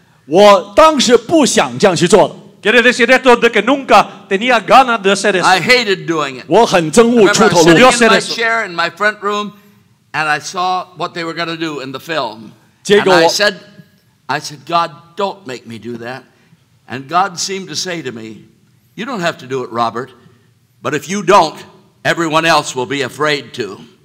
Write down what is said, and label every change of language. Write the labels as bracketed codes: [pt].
[zh] 我当时不想这样去做的。 [es] Quiere decir esto de que nunca tenía ganas de hacer eso. [en] I hated doing it. [zh] 我很憎恶出头露面。 [en] I remember sitting in my chair in my front room. And I saw what they were going to do in the film. [zh] 结果, [en] and I said, God, don't make me do that. And God seemed to say to me, you don't have to do it, Robert. But if you don't, everyone else will be afraid to.